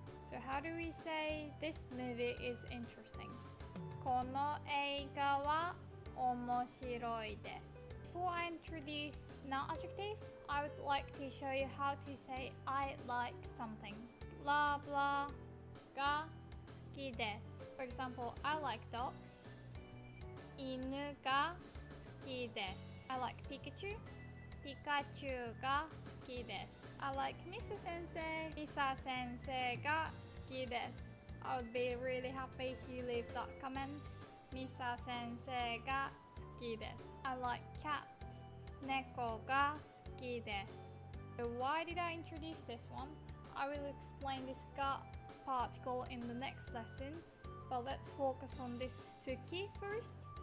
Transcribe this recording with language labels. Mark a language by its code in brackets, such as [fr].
[en] So how do we say this movie is interesting? [ja] この映画は面白いです。 [en] Before I introduce noun adjectives, I would like to show you how to say I like something. [ja] Blah blah が好きです [en] For example, I like dogs [ja] 犬が好きです [en] I like Pikachu [ja] ピカチュウが好きです [en] I like Misa 先生 [ja] Misa 先生が好きです [en] I would be really happy if you leave that comment [ja] Misa 先生が好きです [en] I like cats [ja] 猫が好きです [en] So why did I introduce this one? I will explain this ga particle in the next lesson, but let's focus on this suki first.